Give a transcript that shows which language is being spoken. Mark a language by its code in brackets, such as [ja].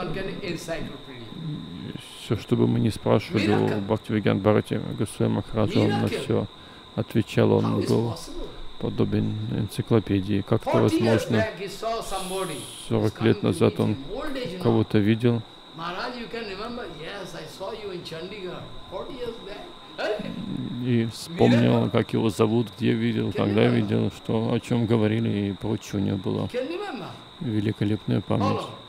[en] Because one can encyclopedia. [ru] Все, что бы мы ни спрашивали у Бхакти Виген Бхарати Госвами Махараджа, он на все отвечал. Он был подобен энциклопедии. Как это возможно? 40 лет назад он кого-то видел. [en] Maharaj, you can remember? Yes, I saw you in Chandigarh 40 years back. [ru] И вспомнил, как его зовут, где видел, когда видел, что, о чем говорили и прочего у него было. Великолепная память.